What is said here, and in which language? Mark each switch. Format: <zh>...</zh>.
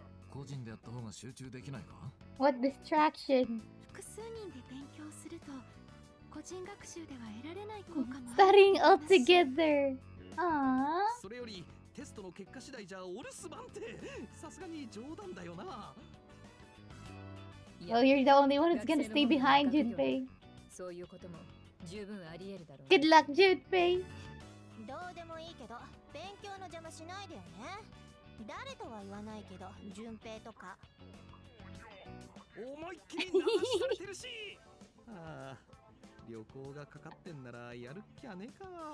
<ja>個人でやった方が集中できないか?</ja> <en>What distraction?</en> <ja>複数人で勉強すると個人学習では得られない効果もある。</ja> <en>Studying all together.</en> <ja>それよりテストの結果次第じゃお留守番ってさすがに冗談だよな。</ja> <en>Oh, you're the only one who's gonna stay behind, Junpei.</en> <ja>そういうことも十分あり得るだろう。</ja> <en>Good luck, Junpei.</en> <ja>どうでもいいけど、勉強の邪魔しないでよね。誰とは言わないけど、順平とか。思いっきり流されてるし。ああ、旅行がかかってんならやるっきゃねえか。</ja>